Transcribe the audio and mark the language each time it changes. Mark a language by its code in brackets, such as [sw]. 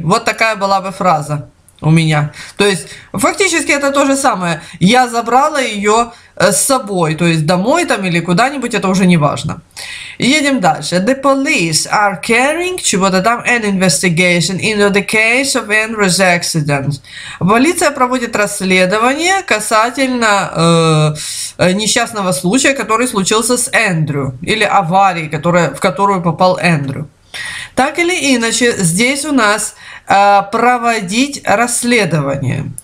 [ru] Вот такая была бы фраза у меня. То есть, фактически это то же самое. Я забрала ее с собой. То есть, домой там или куда-нибудь, это уже не важно. Едем дальше. [en] The police are carrying [ru] чего-то там [en] an investigation into the case of Andrew's accident. [ru] Полиция проводит расследование касательно несчастного случая, который случился с Эндрю. Или аварии, в которую попал Эндрю. Так или иначе, здесь у нас проводить расследование.